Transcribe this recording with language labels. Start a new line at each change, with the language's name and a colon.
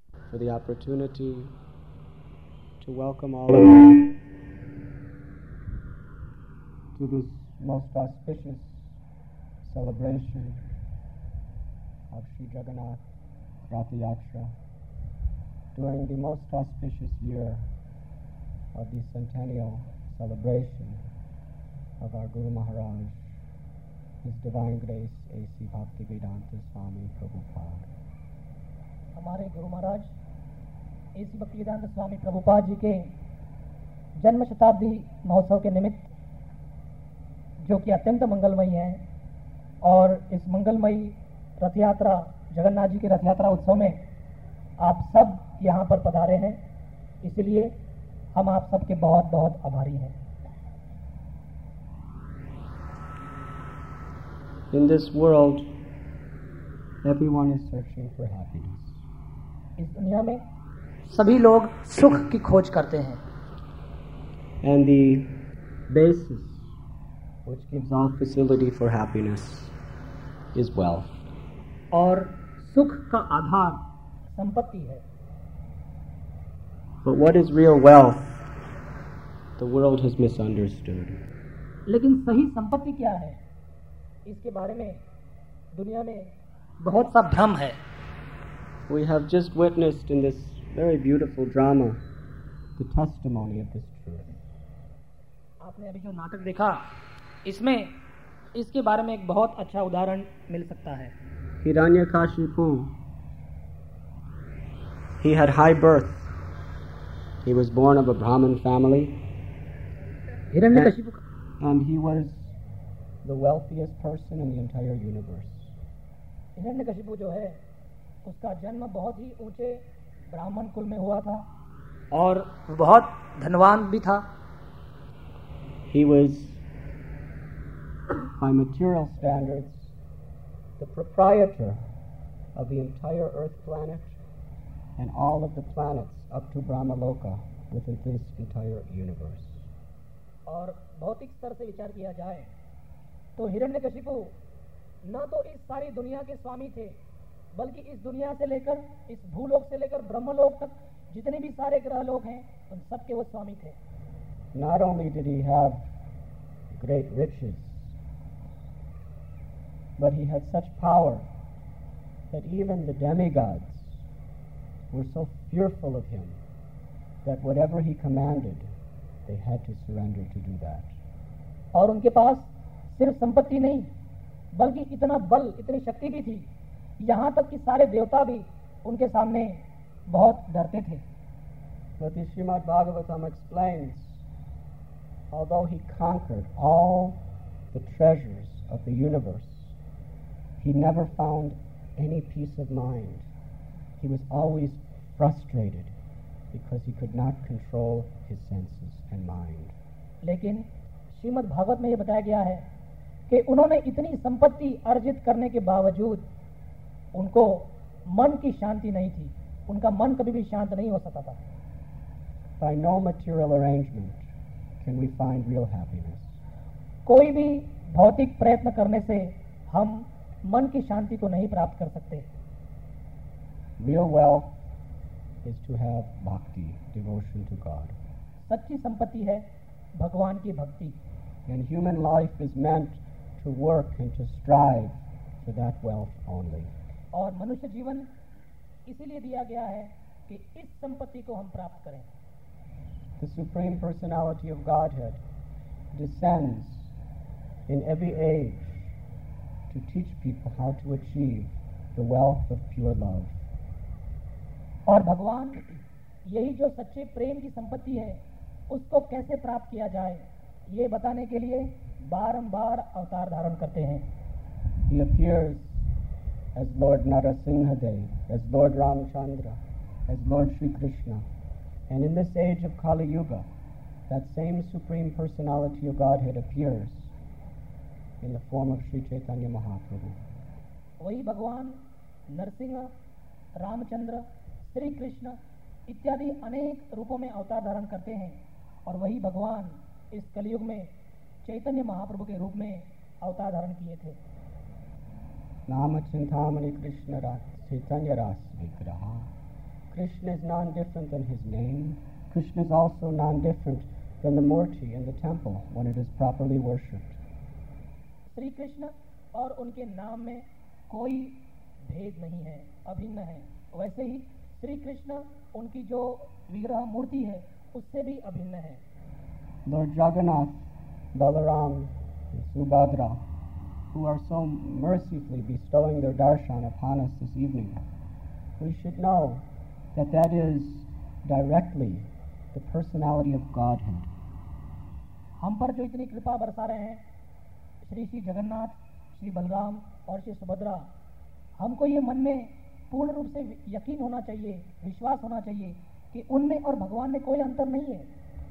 English: For the opportunity to welcome all of you to this most auspicious celebration of Sri Jagannath Rath Yatra during the most auspicious year of the centennial celebration of our Guru Maharaj, His Divine Grace A.C. Bhaktivedanta Swami Prabhupada.
Hindi: हमारे Guru Maharaj A.C. Bhaktivedanta Swami Prabhupada जी के जन्म शताब्दी महोत्सव के निमित्त जो कि अत्यंत मंगलमय है और इस मंगलमय रथयात्रा जगन्नाथ जी के रथयात्रा उत्सव में आप सब यहाँ पर पधारे हैं, इसलिए हम आप सबके बहुत बहुत आभारी हैं।
English: In this world, everyone is searching for happiness.
Hindi: इस दुनिया में सभी लोग सुख की खोज करते हैं।
English: And the basis which gives all facility for happiness is wealth.
Hindi: और सुख का आधार संपत्ति है।
English: But what is real wealth? The world has misunderstood.
Hindi: लेकिन सही संपत्ति क्या है? इसके बारे में दुनिया में बहुत सा भ्रम है।
English: We have just witnessed in this very beautiful drama the testimony of this truth.
Hindi: आपने अभी जो नाटक देखा, इसमें इसके बारे में एक बहुत अच्छा उदाहरण मिल सकता है।
English: Hiranyakashipu, he had high birth. He was born of a Brahmin family. Hiranyakashipu, and he was the wealthiest person in the entire universe.
Hindi: Hiranyakashipu जो है, उसका जन्म बहुत ही ऊंचे ब्राह्मण कुल में हुआ था, और बहुत धनवान भी था.
English: He was, by material standards, the proprietor of the entire Earth planet and all of the planets up to Brahmaloka within this entire universe.
Hindi: और भौतिक स्तर से विचार किया जाए तो हिरण्यकशिपु ना तो इस सारी दुनिया के स्वामी थे, बल्कि इस दुनिया से लेकर इस भूलोक से लेकर ब्रह्मलोक तक जितने भी सारे ग्रह लोग हैं उन सब के वो स्वामी थे।
English: Not only did he have great riches, but he had such power that even the demigods were so fearful of him that whatever he commanded, they had to surrender to do that.
Hindi: और उनके पास सिर्फ संपत्ति नहीं, बल्कि इतना बल, इतनी शक्ति भी थी, यहाँ तक कि सारे देवता भी उनके सामने बहुत डरते थे।
English: But Srimad Bhagavatam explains, although he conquered all the treasures of the universe, he never found any peace of mind. He was always frustrated because he could not control his senses and mind.
Hindi: लेकिन श्रीमद् भागवत में ये बताया गया है कि उन्होंने इतनी संपत्ति अर्जित करने के बावजूद उनको मन की शांति नहीं थी, उनका मन कभी भी शांत नहीं हो सकता था।
English: By no material arrangement can we find real happiness.
Hindi: कोई भी भौतिक प्रयत्न करने से हम मन की शांति को नहीं प्राप्त कर सकते।
English: Real wealth is to have bhakti, devotion to God.
Hindi: सच्ची संपत्ति है भगवान की भक्ति।
English: And human life is meant to work and to strive for that wealth only.
Hindi: और मनुष्य जीवन इसीलिए दिया गया है कि इस संपत्ति को हम प्राप्त करें।
English: The Supreme Personality of Godhead descends in every age to teach people how to achieve the wealth of pure love.
Hindi: और भगवान यही जो सच्चे प्रेम की संपत्ति है उसको कैसे प्राप्त किया जाए ये बताने के लिए बारंबार अवतार धारण करते हैं।
English: He appears as Lord Narasimhadev, as Lord Ramchandra, as Lord Sri Krishna. And in this age of Kali Yuga, that same Supreme Personality of Godhead appears in the form of Sri Chaitanya Mahaprabhu.
Hindi: वही भगवान नरसिंह रामचंद्र श्री कृष्ण इत्यादि अनेक रूपों में अवतार धारण करते हैं और वही भगवान इस कलयुग में चैतन्य महाप्रभु के रूप में अवतार धारण किए थे।
Sanskrit: नाम चिंतामणि कृष्ण चैतन्य रास विग्रह।
English: Krishna is non different than his name. Krishna is also non different than the murti in the temple when it is properly worshipped.
Hindi: Shri Krishna और उनके नाम में कोई भेद नहीं है, अभिन्न है। वैसे ही श्री कृष्ण उनकी जो विग्रह मूर्ति है उससे भी अभिन्न है।
English: Lord Jagannath Balram Subhadra who are so mercifully bestowing their darshan upon us this evening, we should know that that is directly the personality of Godhead.
Hindi: हम पर जो इतनी कृपा बरसा रहे हैं श्री श्री जगन्नाथ श्री बलराम और श्री सुभद्रा, हमको ये मन में पूर्ण रूप से यकीन होना चाहिए, विश्वास होना चाहिए कि उनमें और भगवान में कोई अंतर नहीं है।